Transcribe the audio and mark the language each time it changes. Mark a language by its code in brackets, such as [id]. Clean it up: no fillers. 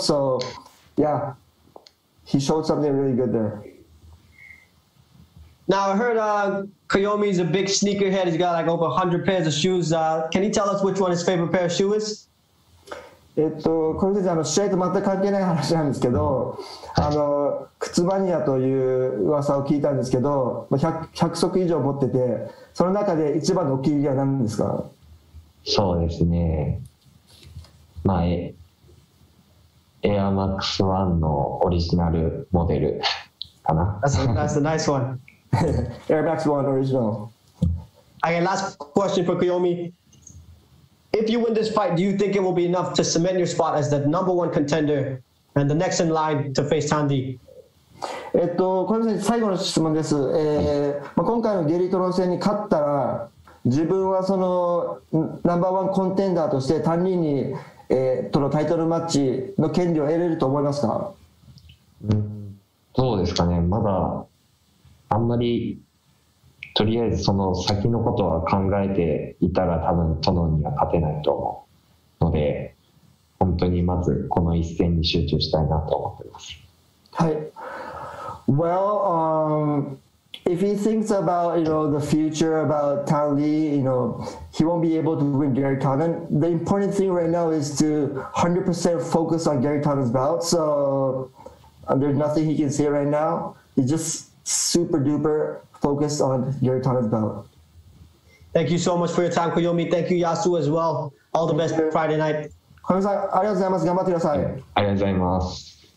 [en] So, yeah, he showed something really good there. Now, I heard Koyomi is a big sneakerhead. He's got like over 100 pairs of shoes. Can you tell us which one his favorite pair of shoe is? [ja] これですね、試合と全く関係ない話なんですけど、靴マニアという噂を聞いたんですけど、100足以上持ってて、その中で一番のお気に入りは何ですか？そうですね、まあ、エアマックスワンのオリジナルモデルかな。 [en] That's a nice one. [ja] エアマックスワンオリジナル。 [en] Okay, last question for Koyomi. If you win this fight, do you think it will be enough to cement your spot as the number one contender and the next in line to face Tandy? [ja] これで最後の質問です、まあ、今回のゲリトロン戦に勝ったら、自分はそのナンバーワンコンテンダーとしてタンリーニ、とのタイトルマッチの権利を得れると思いますか？どうですかね、まだあんまりとりあえずその先のことは考えていたら多分トノには勝てないと思うので、本当にまずこの一戦に集中したいなと思っています。はい。 [en] Well, if he thinks about, you know, the future about Tan Li, you know, he won't be able to win Gary Tonnen. The important thing right now is to 100% focus on Gary Tonnen's bout. So there's nothing he can say right now. He's just super duper focused on Gary Tonnen's bout. Thank you so much for your time, Koyomi. Thank you, Yasu, as well. All the best for Friday night. [ja] ありがとうございます。頑張ってください。ありがとうございます。